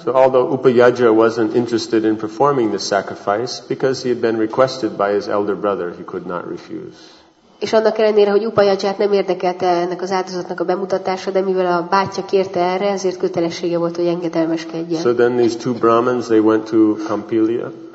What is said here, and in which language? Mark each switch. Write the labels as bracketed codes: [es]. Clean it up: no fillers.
[en] So although Upayajna wasn't interested in performing this sacrifice, because he had been requested by his elder brother, he could not refuse. [hu] És annak ellenére, hogy Upayajnát nem érdekelte ennek az áldozatnak a bemutatása, de mivel a bátyja kérte erre, ezért kötelessége volt, hogy engedelmeskedjen. [en] So then these two Brahmins, they went to Kampilya.